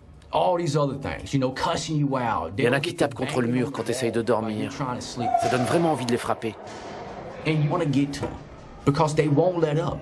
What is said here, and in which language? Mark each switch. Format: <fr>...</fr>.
<en>All these other things, you know, cussing you out.</en> <fr>Il y en a qui tapent contre le mur quand tu essayes de dormir. Ça donne vraiment envie de les frapper.</fr> <en>And you want to get to them because they won't let up.</en>